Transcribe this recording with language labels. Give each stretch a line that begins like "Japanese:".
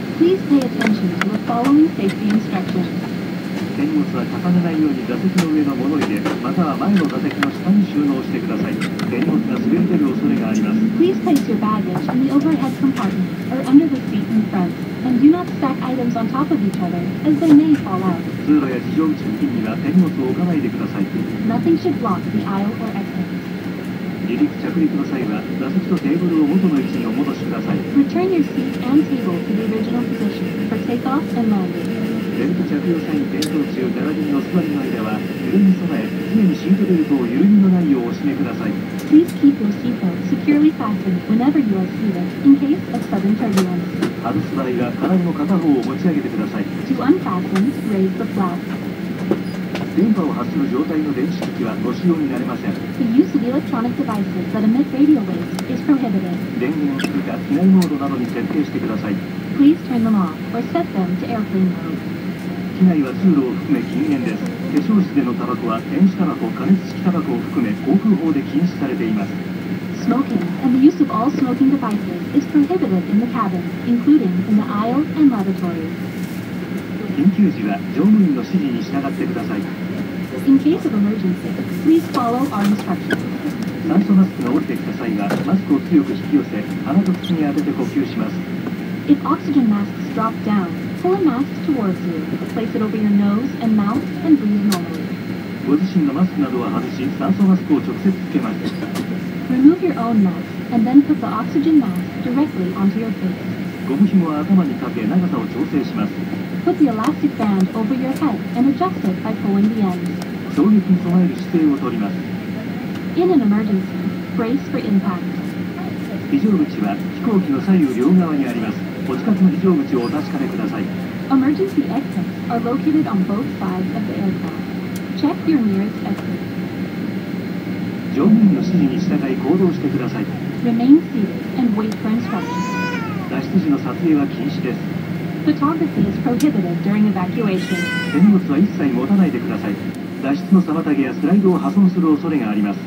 English: Please pay attention to the following safety instructions。
Japanese: 手荷物は重ねないように座席の上の物入れ、または前の座席の下に収納してください。手荷物が滑り出る恐れがあります。
English: Please place your baggage in the overhead compartment or under the seat in front, and do not stack items on top of each other as they may fall out。
Japanese: 通路や非常口付近には手荷物を置かないでください。
English: Nothing should block the aisle or exit。
Japanese: 離陸着陸の際は座席とテーブルを元の位置にお戻しください。
English: Return your seat and table to the original position for takeoff and landing。
Japanese: ベルト着用際に点灯中、ガラリンの座りの間は揺れに備え、常にシートベルトを緩みのないようお締めください。
English: Please keep your seatbelt securely fastened whenever you are seated in case of sudden turbulence。
Japanese: 外す場合は体の片方を持ち上げてください。
English: To unfasten, raise the flap。
Japanese: 電波を発する状態の電子機器はご使用になれません。
English: The use of electronic devices that emit radio waves is prohibited。
Japanese: 電源を切るか機内モードなどに設定してください。
English: Please turn them off or set them to airplane mode。
Japanese: 機内は通路を含め禁煙です。化粧室でのタバコは電子タバコ、加熱式タバコを含め航空法で禁止されています。
English: Smoking and the use of all smoking devices is prohibited in the cabin, including in the aisle and lavatory。
Japanese: 緊急時は乗務員の指示に従ってください。
English: In case of emergency, please follow our instructions。
Japanese: 酸素マスクが降りてきた際はマスクを強く引き寄せ、鼻と口に当てて呼吸します。
English: If oxygen masks drop down, pull a mask towards you, place it over your nose and mouth and breathe normally。
Japanese: ご自身のマスクなどは外し、酸素マスクを直接つけます。
English: Remove your own mask and then put the oxygen mask directly onto your face。
Japanese: ゴム紐は頭にかけ長さを調整します。
English: Put the elastic band over your head and adjust it by pulling the ends。
Japanese: 衝撃に備える姿勢をとります。
English: In an emergency, brace for impact。
Japanese: 非常口は飛行機の左右両側にあります。お近くの非常口をお確かめください。
English: Emergency exits are located on both sides of the aircraft. Check your nearest exit。
Japanese: 乗務員の指示に従い行動してください。
English: Remain seated and wait for instructions。
Japanese: 脱出時の撮影は禁止です。
English: Photography is prohibited during evacuation。
Japanese: 手荷物は一切持たないでください。脱出の妨げやスライドを破損する恐れがあります。